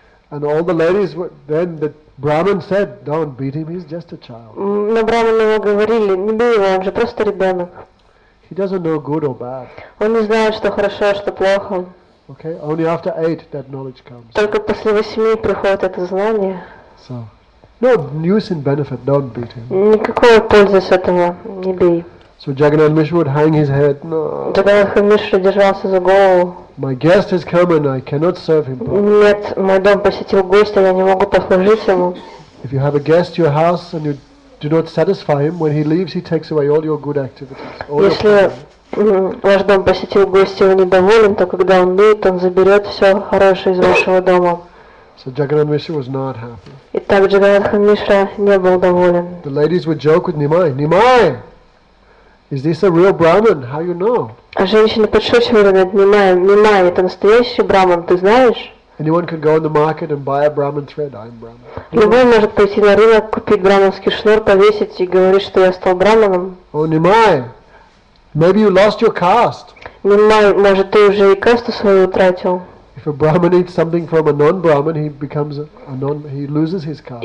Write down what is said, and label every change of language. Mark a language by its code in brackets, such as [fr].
[en] And all the ladies were, then the Brahmin said, "Don't beat him. He's just a child." [ru] Но Брахманы ему говорили: "Не бей его, он же просто ребенок." [en] He doesn't know good or bad. [ru] Он не знает, что хорошо, что плохо. [en] Okay. Only after 8 that knowledge comes. [ru] Только после 8 приходит это знание. [en] So, no use in benefit. Don't beat him. [ru] Никакого пользы с этого. Не бей. [en] So Jagannath Mishra would hang his head. No. [ru] Jagannath Mishra держался за голову. [en] My guest has come and I cannot serve him. [ru] Нет, мой дом посетил гость, я не могу послужить ему. [en] If you have a guest in your house and you do not satisfy him, when he leaves, he takes away all your good activities. [ru] Если ваш дом посетил гость, и вы недоволен, то когда он уйдет, он заберет все хорошее из вашего дома. [en] So Jagannath Mishra was not happy. [ru] Итак, Jagannath Mishra не был доволен. [en] The ladies would joke with Nimai. Nimai! Is this a real Brahmin? How you know? [ru] А женщины подшучивали над Нимай, это настоящий Брахман, ты знаешь? [en] Anyone can go on the market and buy a Brahmin thread. I'm Brahmin. [ru] Любой может пойти на рынок, купить брахманский шнур, повесить и говорить, что я стал Брахманом. [en] Oh, Nimai, maybe you lost your caste. [ru] Нимай, может ты уже и касту свою утратил? [en] If a Brahmin eats something from a non-Brahmin, he becomes he loses his caste.